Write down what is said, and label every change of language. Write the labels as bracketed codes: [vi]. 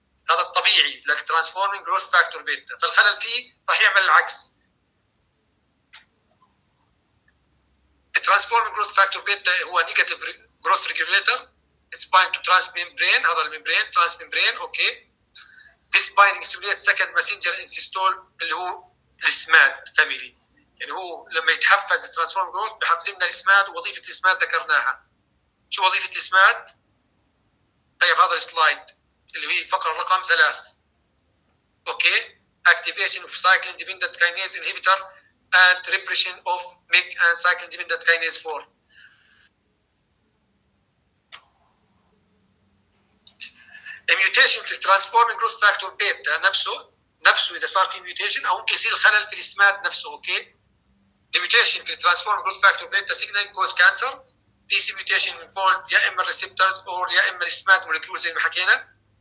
[ar] هذا الطبيعي للترانسفورمينج جروث فاكتور بيتا، فالخلل فيه راح يعمل العكس. [en] Transforming growth factor beta [ar] هو [en] negative growth regulator. It's bind to transmembrane. [ar] هذا الممبرين [en] transmembrane. Okay. This binding stimulates second messenger in systole [ar] اللي هو السماد [en] family. [ar] يعني هو لما يتحفز [en] transform growth [ar] بحفز لنا السماد. وظيفة السماد ذكرناها. شو وظيفة السماد؟ هي بهذا السلايد اللي هي الفقرة رقم 3. [en] Okay. Activation of cyclin dependent kinase inhibitor and repression of MYC and cyclin dependent kinase 4. A mutation [ar] في [en] transforming growth factor beta [ar] نفسه إذا صار في mutation أو ممكن يصير الخلل في السماد نفسه. [en] Okay, the mutation في transforming growth factor beta signaling cause cancer. This mutation involve [ar] يا إما [en] receptors or [ar] يا إما السماد molecules زي ما حكينا.